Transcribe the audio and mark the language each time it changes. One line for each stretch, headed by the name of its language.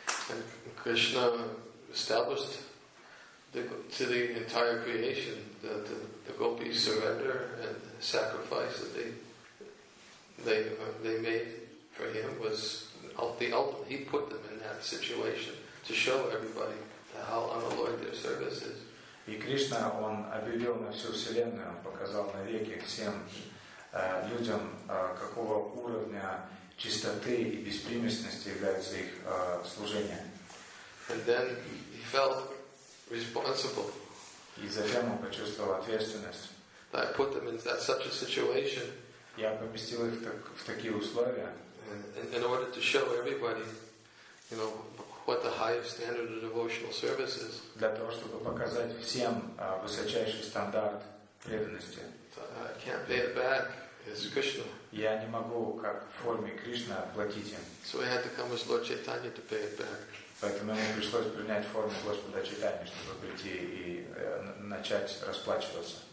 English: And Krishna established to the entire creation that the gopis surrender and sacrifice that they made for him was the ultimate. He put them in that situation to show everybody how unalloyed their service is.
Russian: И Кришна, он объявил на всю вселенную, он показал навеки всем людям, какого уровня чистоты и беспримесности является их служение.
English: And then he felt responsible.
Russian: И затем он почувствовал ответственность.
English: That I put them in such a situation.
Russian: Я поместил их в такие условия.
English: In order to show everybody, you know, what the highest standard of devotional service is.
Russian: Для того, чтобы показать всем высочайший стандарт преданности.
English: I can't pay it back as Krishna.
Russian: Я не могу как в форме Кришны платить им.
English: So I had to come as Lord Chaitanya to pay it back.
Russian: Поэтому ему пришлось принять форму Господа Чайтаньи, чтобы прийти и начать расплачиваться.